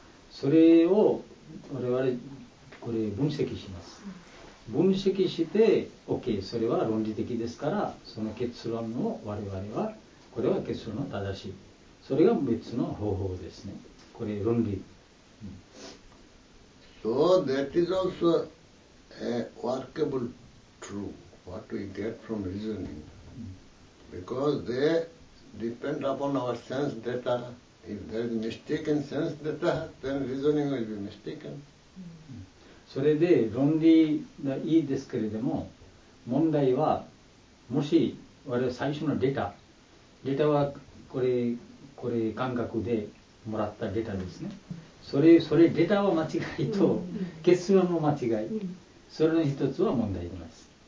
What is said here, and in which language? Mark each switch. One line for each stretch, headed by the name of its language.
Japanese: それを我々これ分析します。分析して、OK、それは論理的ですから、その結論を我々は、これは結論の正しい。それが別の方法ですね。これ論理。
English: So that is also a workable truth, what we get from reasoning. Because they depend upon our sense data. If there is mistake in sense data, then reasoning will be mistaken.
Japanese: それで論理がいいですけれども、問題はもし我々最初のデータはこれ感覚でもらったデータですね。それデータは間違いと結論の間違い、それの一つは問題です。